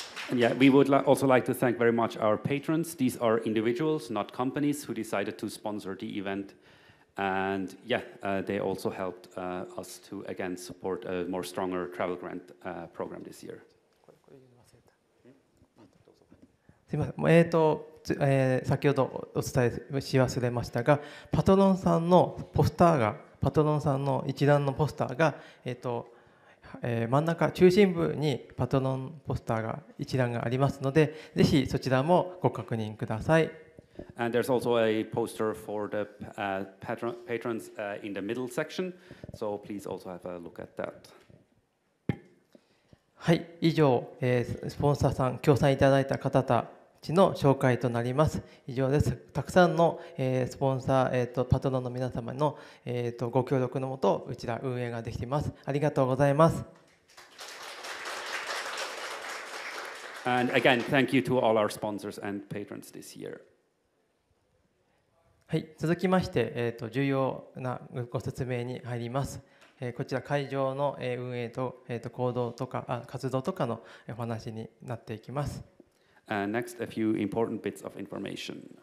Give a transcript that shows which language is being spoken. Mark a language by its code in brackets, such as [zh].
[en] And yeah, we would also like to thank very much our patrons. These are individuals, not companies, who decided to sponsor the event. And yeah, they also helped us to again support a more stronger travel grant program this year. [ja] すみません。先ほどお伝えし忘れましたが、パトロンさんのポスターが、パトロンさんの一覧のポスターが、真ん中中心部にパトロンポスターが一覧がありますので、ぜひそちらもご確認ください。 [en] And there's also a poster for the patrons in the middle section, so please also have a look at that. [ja] はい、以上、スポンサーさん、協賛いただいた方たちの紹介となります。以上です。たくさんの、スポンサー、パトロンの皆様の、ご協力のもと、うちら運営ができています。ありがとうございます。 [en] And again, thank you to all our sponsors and patrons this year. [ja] はい、続きまして、重要なご説明に入ります。こちら会場の運営と、行動とか、活動とかのお話になっていきます。 [en] Next, a few important bits of information.